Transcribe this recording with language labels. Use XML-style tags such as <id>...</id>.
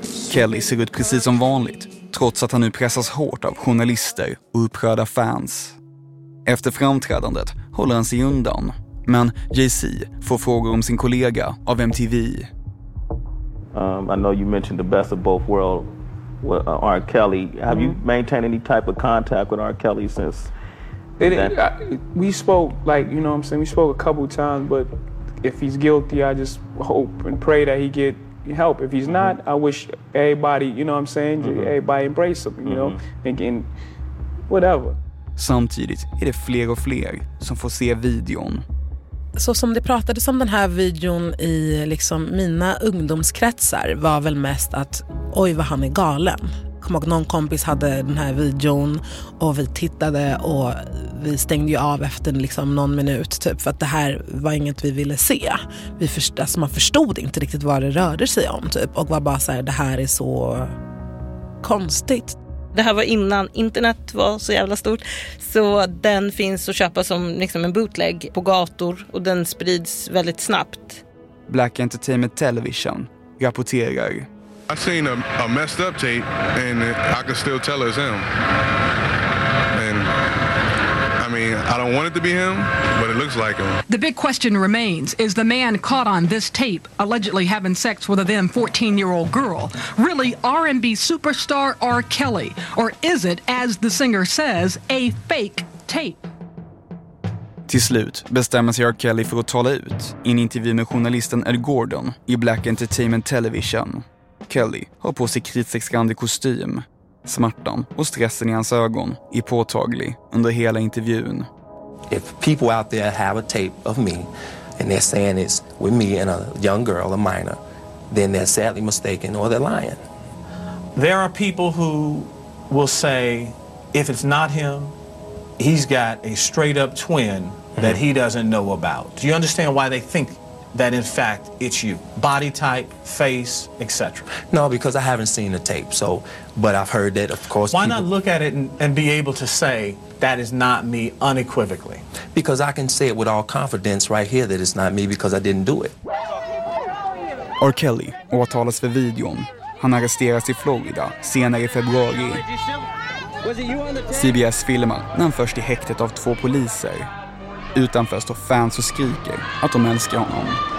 <sv>Kelly ser ut precis som vanligt, trots att han nu pressas hårt av journalister och upprörda fans. Efter framträdandet håller han sig undan. Men Jay-Z får frågor om sin kollega av MTV.</sv> <en>I know you mentioned the best of both worlds with R. Kelly. Have you maintained any type of contact with R. Kelly since? We spoke, like, you know what I'm saying? We spoke a couple times, but if he's guilty, I just hope and pray that he get help. If he's not, I wish everybody, you know what I'm saying? Everybody embrace him, you know? Thinking, whatever.</en> <sv>Samtidigt är det fler och fler som får se videon. Så som det pratades om den här videon i liksom mina ungdomskretsar var väl mest att oj vad han är galen. Kom ihåg, någon kompis hade den här videon och vi tittade och vi stängde ju av efter liksom någon minut typ, för att det här var inget vi ville se. Alltså man förstod inte riktigt vad det rörde sig om typ, och var bara så här, det här är så konstigt. Det här var innan internet var så jävla stort. Så den finns att köpa som liksom en bootleg på gator och den sprids väldigt snabbt. Black Entertainment Television rapporterar.</sv> <en>I seen a messed up tape and I can still tell it's him. And I mean, I don't want it to be him, but it looks like him. The big question remains, is the man caught on this tape allegedly having sex with a then 14-year-old girl really R&B superstar R. Kelly, or is it, as the singer says, a fake tape?</en> <sv>Till slut bestämmer sig R. Kelly för att tala ut i en intervju med journalisten Ed Gordon i Black Entertainment Television. Kelly har på sig kritstrecksrandig kostym. Smärtan och stressen i hans ögon är påtaglig under hela intervjun.</sv> <en>If people out there have a tape of me and they're saying it's with me and a young girl, a minor, then they're sadly mistaken or they're lying. There are people who will say if it's not him, he's got a straight up twin that he doesn't know about. Do you understand why they think that in fact it's you? Body type, face, etc. No, because I haven't seen the tape, so, but I've heard that, of course. Why not look at it and be able to say that is not me unequivocally? Because I can say it with all confidence right here that it's not me because I didn't do it.</en> <sv>R. Kelly åtalas för videon. Han arresteras i Florida senare i februari. CBS filmar när han först i häktet av två poliser. Utanför står fans och skriker att de älskar honom.</sv>